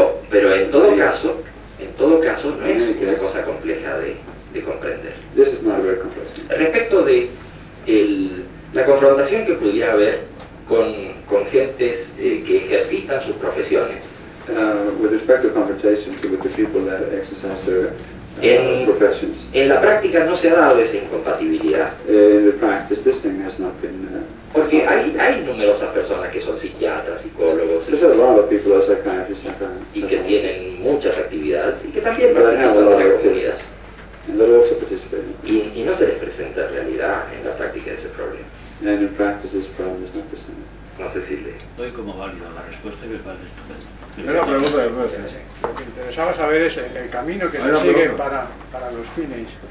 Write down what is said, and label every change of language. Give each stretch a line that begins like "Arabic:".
Spanish: Pero en todo caso no es una cosa compleja de comprender. Respecto de la confrontación que pudiera haber con gentes que ejercitan sus profesiones.
English: With respect to confrontations with the people that exercise their professions.
Spanish: En la práctica no se ha dado esa incompatibilidad.
English: In the practice, this thing has not been.
Spanish: Porque hay numerosas personas que son psiquiatras, psicólogos,
English: there's a lot of people that are psychiatrists,
Spanish: y que tienen muchas actividades y que también participan en la comunidad.
English: And they're also participating.
Spanish: Y no se les presenta en realidad en la práctica ese problema.
English: And in practice, this problem is not presented.
Spanish: No sé si le doy como válida la respuesta y me parece estupendo. Una pregunta de profe. Lo que interesaba saber es el camino que se sigue para los fines.